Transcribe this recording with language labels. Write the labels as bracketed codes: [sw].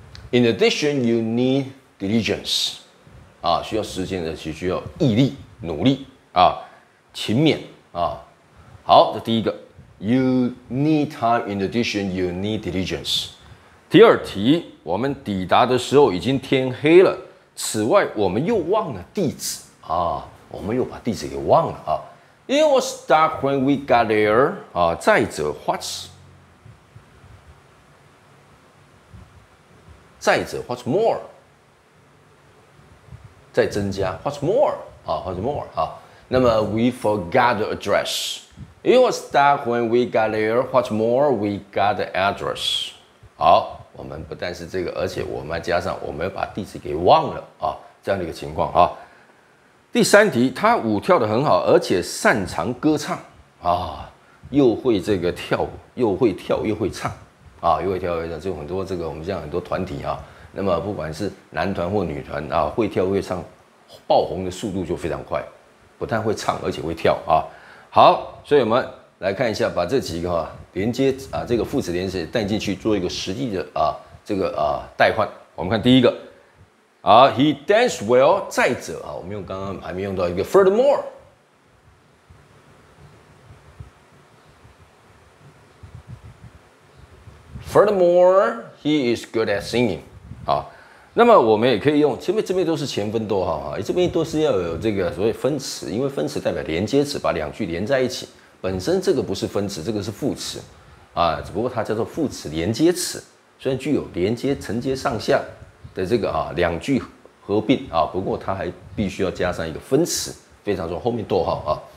[en] You need diligence. [zh] 啊，需要时间的其实需要毅力努力啊，勤勉啊。好，这第一个 [en] You need time. In addition, you need diligence. [zh] 第二题，我们抵达的时候已经天黑了，此外我们又忘了地址啊，我们又把地址给忘了啊。 [en] It was dark when we got there. [zh] 啊，再者 [en] what's? [zh] 再者 [en] what's more? [zh] 再增加 [en] what's more? 啊 what's more? 啊， [zh] 那么 [en] we forgot the address. It was dark when we got there. What's more? We got the address. [zh] 好。我们不但是这个，而且我们加上我们把地址给忘了啊，这样的一个情况啊。第三题，他舞跳得很好，而且擅长歌唱啊，又会这个跳，又会跳又会唱啊，又会跳又会唱，就很多这个我们像很多团体啊，那么不管是男团或女团啊，会跳会唱，爆红的速度就非常快，不但会唱，而且会跳啊。好，所以我们来看一下，把这几个啊。连接啊，这个副词连接带进去做一个实际的啊，这个啊代换。我们看第一个啊 ， [en] He danced well. [zh] 再者啊，我们用刚刚还没用到一个 furthermore。 [en] Furthermore, he is good at singing. [zh] 啊，那么我们也可以用前面这边都是前分逗号啊，这边都是要有这个所谓分词，因为分词代表连接词，把两句连在一起。本身这个不是分词，这个是副词啊，只不过它叫做副词连接词，虽然具有连接承接上下的这个啊两句合并啊，不过它还必须要加上一个分词，非常说后面逗号啊。